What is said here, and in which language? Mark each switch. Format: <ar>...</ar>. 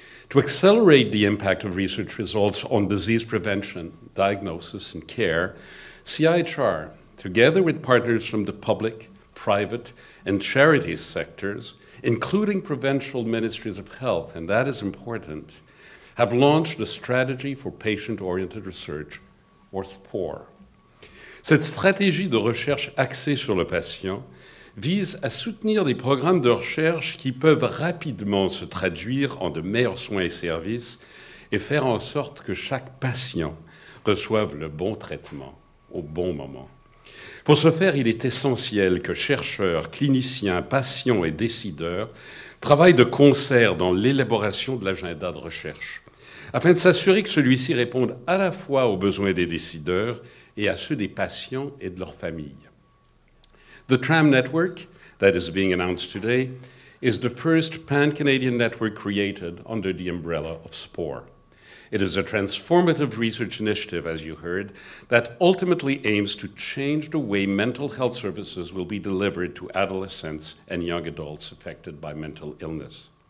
<en>To accelerate the impact of research results on disease prevention, diagnosis, and care, CIHR, together with partners from the public, private, and charity sectors, including provincial ministries of health, and that is important, have launched a strategy for patient-oriented research, or SPOR.</en> <fr>Cette stratégie de recherche axée sur le patient vise à soutenir des programmes de recherche qui peuvent rapidement se traduire en de meilleurs soins et services et faire en sorte que chaque patient reçoive le bon traitement au bon moment. Pour ce faire, il est essentiel que chercheurs, cliniciens, patients et décideurs travaillent de concert dans l'élaboration de l'agenda de recherche, afin de s'assurer que celui-ci réponde à la fois aux besoins des décideurs et à ceux des patients et de leurs familles.</fr> <en>The TRAM network that is being announced today is the first pan-Canadian network created under the umbrella of SPOR. It is a transformative research initiative, as you heard, that ultimately aims to change the way mental health services will be delivered to adolescents and young adults affected by mental illness.</en>